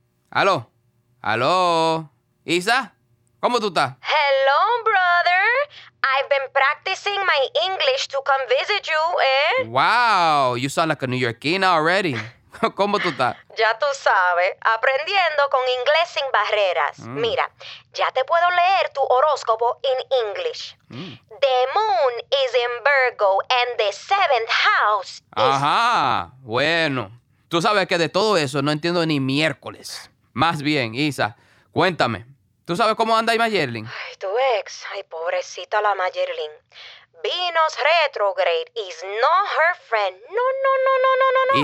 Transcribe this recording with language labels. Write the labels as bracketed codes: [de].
[es] Aló, aló, Isa, ¿cómo tú estás? [en] Hello, brother. I've been practicing my English to come visit you, eh? Wow, you sound like a New Yorkina already. [es] ¿Cómo tú estás? Ya tú sabes, aprendiendo con inglés sin barreras. Mm. Mira, ya te puedo leer tu horóscopo [en] in English. Mm. The moon is in Virgo and the seventh house is... [es] Ajá, bueno. Tú sabes que de todo eso no entiendo ni miércoles. Más bien, Isa, cuéntame. ¿Tú sabes cómo anda ahí Mayerling? Ay, tu ex. Ay, pobrecita la Mayerling. [en] Venus retrograde is not her friend. [es] No, no, no, no, no, no, no.